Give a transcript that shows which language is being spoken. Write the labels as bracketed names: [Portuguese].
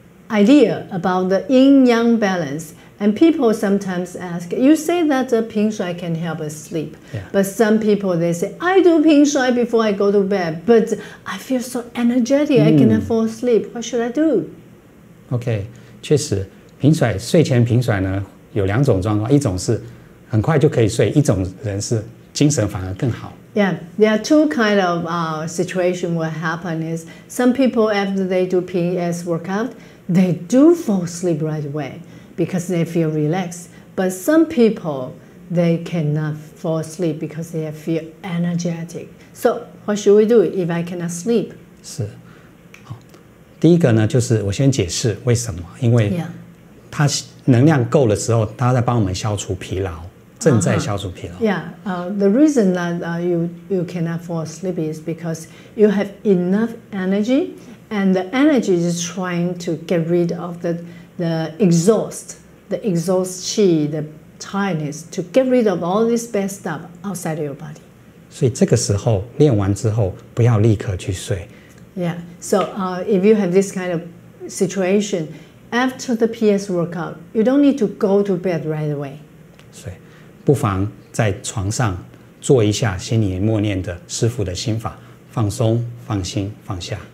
[English] idea about the yin-yang balance. And people sometimes ask, you say that the Ping Shui can help us sleep. Yeah. But some people, they say, I do Ping Shui before I go to bed, but I feel so energetic, I cannot fall asleep. What should I do? Okay, [Chinese] 确实平甩睡前平甩呢有两种状况，一种是很快就可以睡，一种人是精神反而更好。 [English] Yeah, there are two kind of situation will happen is some people after they do PS workout, they do fall asleep right away because they feel relaxed. But some people, they cannot fall asleep because they feel energetic. So what should we do if I cannot sleep? [Chinese] 是，好，第一个呢就是我先解释为什么，因为、 [English] yeah. [Chinese] 它能量够的时候，它在帮我们消除疲劳，正在消除疲劳。 [English] Uh-huh. Yeah, the reason that you cannot fall asleep is because you have enough energy, and the energy is trying to get rid of the exhaust qi, the tiredness, to get rid of all this bad stuff outside of your body. [Chinese] 所以这个时候练完之后，不要立刻去睡。 [English] Yeah, so if you have this kind of situation. After the PS workout, you don't need to go to bed right away. [Chinese] 所以不妨在床上做一下心里默念的师父的心法，放松、放心、放下。